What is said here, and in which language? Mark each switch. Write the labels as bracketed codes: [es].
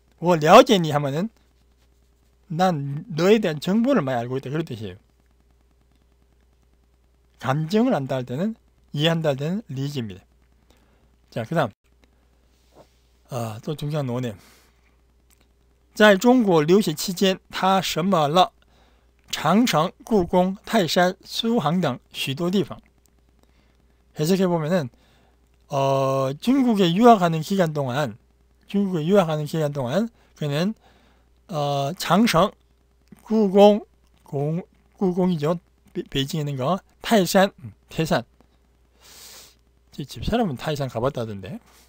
[zh] 我了解你 [ko] 하면은 난 너에 대한 정보를 많이 알고 있다. 그런 뜻이에요. 감정을 안다 할 때는 이해한다 할 때는 리지입니다. 자, 그 다음 또 중요한 논의. [zh] 在中国留学期间他什么了 长城故宫泰山苏杭等许多地方. [ko] 해석해보면은 중국에 유학하는 기간 동안 그는 장성 구공 구공이죠. 베이징에 있는 거 타이산 태산. 제 집사람은 타이산 가봤다던데.